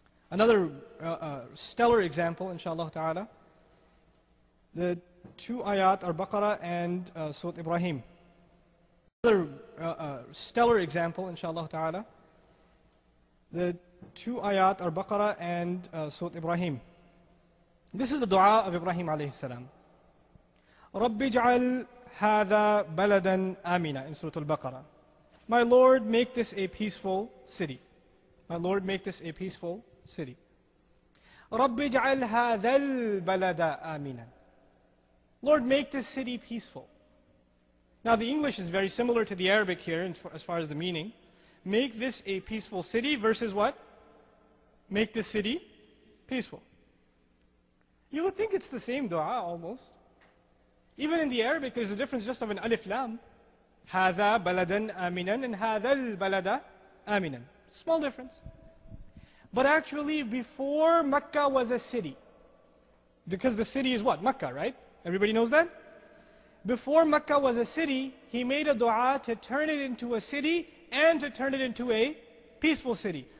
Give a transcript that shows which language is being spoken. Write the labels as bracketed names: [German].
[English] Another stellar example, inshaAllah ta'ala. The two ayat are Baqarah and Surah Ibrahim. Another stellar example, inshaAllah ta'ala. The two ayat are Baqarah and Surah Ibrahim. This is the dua of Ibrahim alayhi salam. [Arabic] رَبِّ جَعَلْ هَذَا بَلَدًا آمِنًا [English] in Surah Al-Baqarah. My Lord, make this a peaceful city. My Lord, make this a peaceful city. [Arabic] رَبِّ جَعَلْ هَذَا الْبَلَدَ آمِنًا. [English] Lord, make this city peaceful. Now the English is very similar to the Arabic here as far as the meaning. Make this a peaceful city versus what? Make this city peaceful. You would think it's the same dua almost. Even in the Arabic, there's a difference just of an alif lam. [Arabic] هَذَا بَلَدًا آمِنًا [English] and [Arabic] هَذَا الْبَلَدَ آمِنًا. [English] Small difference. But actually, before Mecca was a city, because the city is what? Mecca, right? Everybody knows that? Before Mecca was a city, He made a dua to turn it into a city and to turn it into a peaceful city.